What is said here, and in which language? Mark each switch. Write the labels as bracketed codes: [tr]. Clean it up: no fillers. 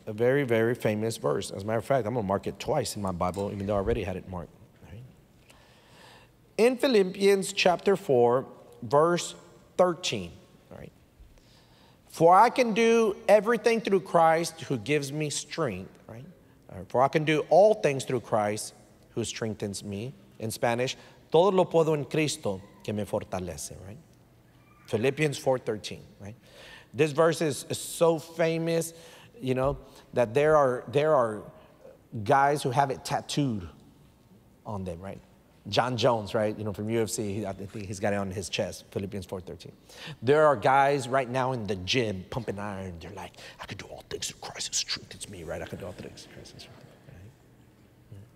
[en] A very, very famous verse. As a matter of fact, I'm going to mark it twice in my Bible, even though I already had it marked. All right? In Philippians chapter 4, verse 13, all right. For I can do everything through Christ who gives me strength, right? For I can do all things through Christ who strengthens me. In Spanish, [es] todo lo puedo en Cristo que me fortalece, [en] right? Philippians 4:13, right? This verse is so famous, you know, that there are guys who have it tattooed on them, right? John Jones, right? You know, from UFC, I think he's got it on his chest, Philippians 4:13. There are guys right now in the gym pumping iron. They're like, I can do all things through Christ who strengthens me, right? I can do all things through Christ who strengthens me. Right?